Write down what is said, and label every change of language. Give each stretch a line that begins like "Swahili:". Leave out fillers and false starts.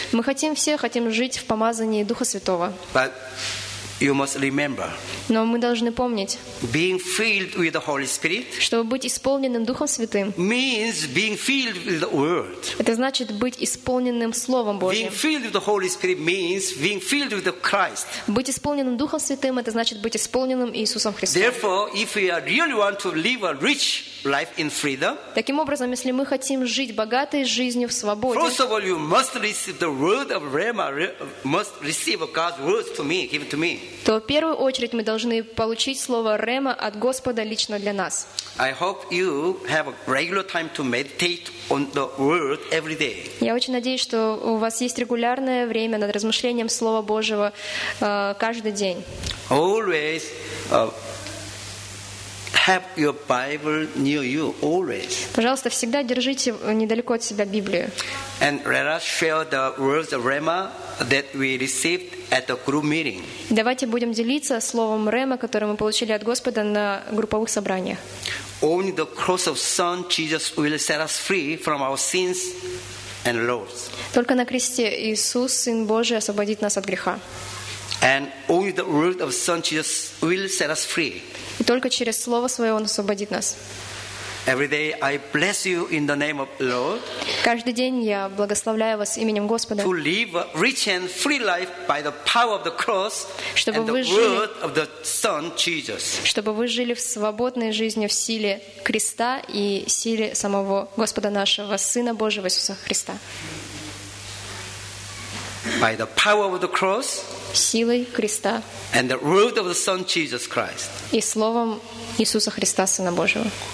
Russian: Мы все хотим жить в помазании Духа Святого.
English: But you must remember.
Russian: Но мы должны помнить.
English: Being filled with the Holy Spirit.
Russian: Чтобы быть исполненным Духом Святым.
English: Means being filled with the Word.
Russian: Это значит быть исполненным Словом Божьим.
English: Being filled with the Holy Spirit means being filled with the Christ.
Russian: Быть исполненным Духом Святым — это значит быть исполненным Иисусом Христом.
English: Therefore, if we really want to live a rich life in freedom.
Russian: Таким образом, если мы хотим жить богатой жизнью в свободе.
English: First of all, you must receive the Word of Rhema. Must receive God's words to me. Give it to me.
Russian: То в первую очередь мы должны получить слово Рема от Господа лично для нас.
English: I hope you have a regular time to meditate on the word every day.
Russian: Я очень надеюсь, что у вас есть регулярное время над размышлением Слова Божьего каждый день.
English: Always have your Bible near you, always.
Russian: Пожалуйста, всегда держите недалеко от себя Библию.
English: And let us share the words of Rema that we received at the group meeting.
Russian: Давайте будем делиться словом Рема, которое мы получили от Господа на групповых собраниях.
English: Only the cross of Son Jesus will set us free from our sins and Lord.
Russian: Только на кресте Иисус, Сын Божий, освободит нас от греха.
English: And only the word of Son Jesus will set us free.
Russian: И только через слово Свое Он освободит нас.
English: Every day I bless you in the name of Lord.
Russian: Каждый день я благословляю вас именем Господа.
English: To live a rich and free life by the power of the cross and the word of the Son Jesus.
Russian: Чтобы вы жили в свободной жизни в силе креста и силе самого Господа нашего Сына Божьего Иисуса Христа.
English: By the power of the cross.
Russian: Силой креста.
English: And the word of the Son Jesus Christ.
Russian: И словом Иисуса Христа Сына Божьего.